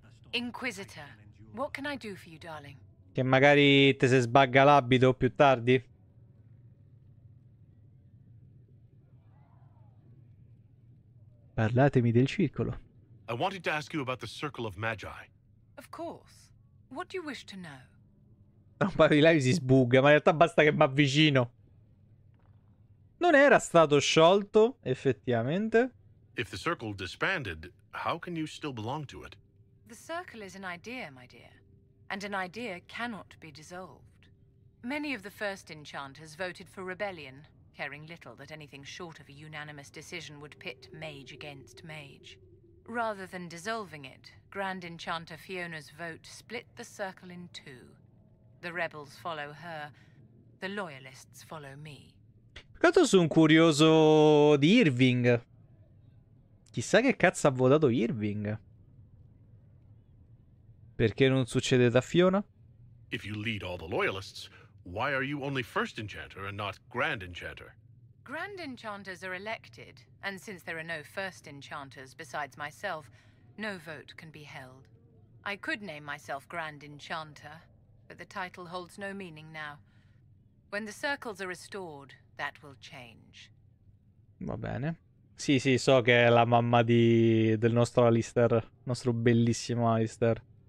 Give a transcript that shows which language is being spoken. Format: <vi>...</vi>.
<en>Inquisitor, what can I do for you, darling?</en> <it>Che magari te se sbagga l'abito più tardi. Parlatemi del circolo.</it> <en>I wanted to ask you about the Circle of Magi. Of course. What do you wish to know?</en> <it>Un paio di live si sbugga, ma in realtà basta che mi avvicino. Non era stato sciolto, effettivamente.</it> <en>If the Circle disbanded, how can you still belong to it? The Circle is an idea, my dear. And an idea cannot be dissolved. Many of the first enchanters voted for rebellion, caring little that anything short of a unanimous decision would pit mage against mage. Rather than dissolving it, Grand Enchanter Fiona's vote split the Circle in two. The rebels follow her, the loyalists follow me.</en> <it>Cazzo, sono curioso di Irving. Chissà che cazzo ha votato Irving. Perché non succede da Fiona?</it> <en>If you lead all the loyalists, why are you only first enchanter and not grand enchanter? Grand enchanters are elected, and since there are no first enchanters besides myself, no vote can be held. I could name myself grand enchanter, but the title holds no meaning now. When the circles are restored, that will change.</en> <it>Va bene. Sì, sì, so che è la mamma di del nostro Alistair, nostro bellissimo Alistair.</it>